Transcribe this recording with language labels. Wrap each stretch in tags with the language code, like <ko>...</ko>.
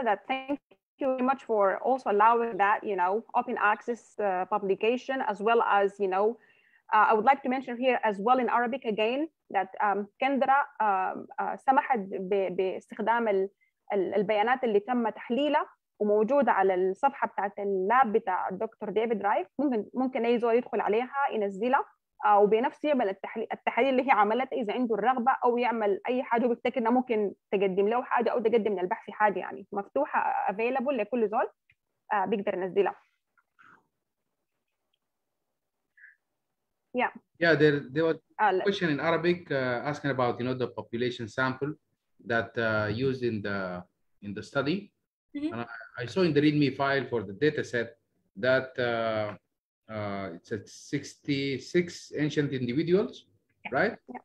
<en>That, thank you very much for also allowing that, you know, open access publication, as well as, you know, I would like to mention here as well in Arabic again, that Kendra</en> <ar>سمحت باستخدام البيانات اللي تم تحليلها وموجودة على الصفحة بتاعت اللاب بتاع الدكتور ديفيد رايخ. ممكن أي زول يدخل عليها ينزلها وبنفسه يعمل التحليل اللي هي عملتها إذا عنده الرغبة، أو يعمل أي حاجة وبيفتكر إنه ممكن تقدم له حاجة أو تقدم للبحث حاجة، يعني مفتوحة available لكل زول بيقدر ينزلها.</ar> <en>Yeah, there was a question in Arabic asking about, you know, the population sample that used in the study. Mm-hmm. And I saw in the README file for the data set that it's at 66 ancient individuals, right?</en>